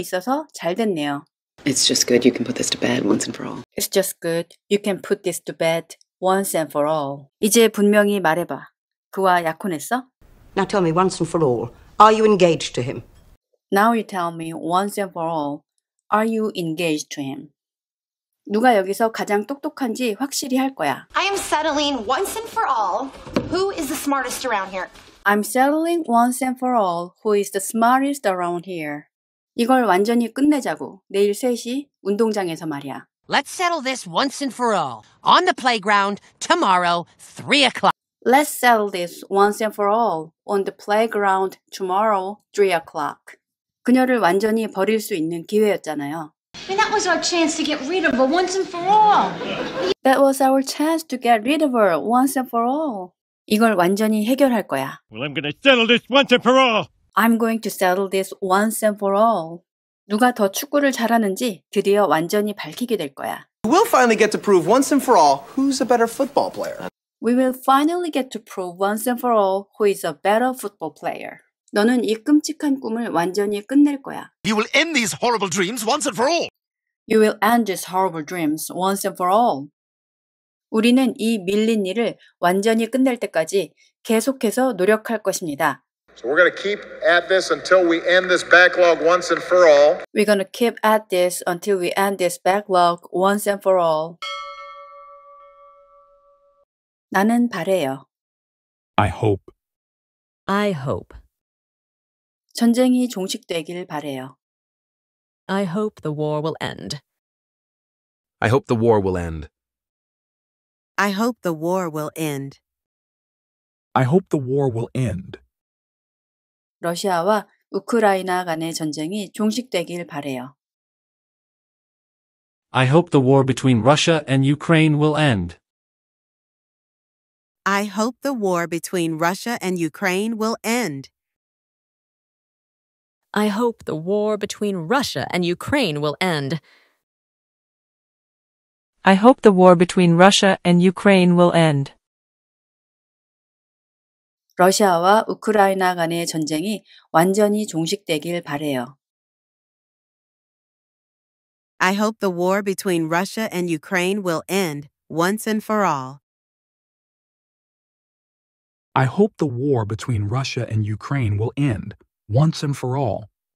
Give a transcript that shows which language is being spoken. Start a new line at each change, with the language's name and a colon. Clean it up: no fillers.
English: It's just good you can put this to bed once and for all. It's just good you can put this to bed once and for all.
Korean: 이제 분명히 말해봐. 그와 약혼했어?
English: Now tell me once and for all, are you engaged to him? Now you tell me once and for all, are you engaged to him?
Korean: 누가 여기서 가장 똑똑한지 확실히 할 거야.
English: I am settling once and for all. Who is the smartest around here? I'm settling once and for all. Who is the smartest around here?
Korean: 이걸 완전히 끝내자고. 내일 3시 운동장에서 말이야.
English: Let's settle this once and for all. On the playground tomorrow, 3 o'clock. Let's settle this once and for all. On the playground tomorrow, 3 o'clock.
Korean: 그녀를 완전히 버릴 수 있는 기회였잖아요.
English: That was our chance to get rid of her once and for all. That was our chance to get rid of her once and for all.
Korean: 이걸 완전히 해결할 거야.
English: Well, I'm going to settle this once and for all. I'm going to settle this once and for all.
Korean: 누가 더 축구를 잘하는지 드디어 완전히 밝히게 될 거야.
English: We'll finally get to prove once and for all who's a better football player. We will finally get to prove once and for all who is a better football player.
Korean: 너는 이 끔찍한 꿈을 완전히 끝낼 거야.
English: You will end these horrible dreams once and for all. You will end these horrible dreams once and for all.
Korean: 우리는 이 밀린 일을 완전히 끝낼 때까지 계속해서 노력할 것입니다.
English: So we're going to keep at this until we end this backlog once and for all. We're going to keep at this until we end this backlog once and for all.
Korean: 나는 바래요.
English: I hope. I hope.
Korean: 전쟁이 종식되길 바래요.
English: I hope the war will end. I hope the war will end. I hope the war will end. I hope the war will end.
Korean: 러시아와 우크라이나 간의 전쟁이 종식되길 바래요.
English: I hope the war between Russia and Ukraine will end. I hope the war between Russia and Ukraine will end. I hope the war between Russia and Ukraine will end. I hope the war between Russia and Ukraine will end.
Korean: 러시아와 우크라이나 간의 전쟁이 완전히 종식되길 바래요.
English: I hope the war between Russia and Ukraine will end once and for all. I hope the war between Russia and Ukraine will end once and for all.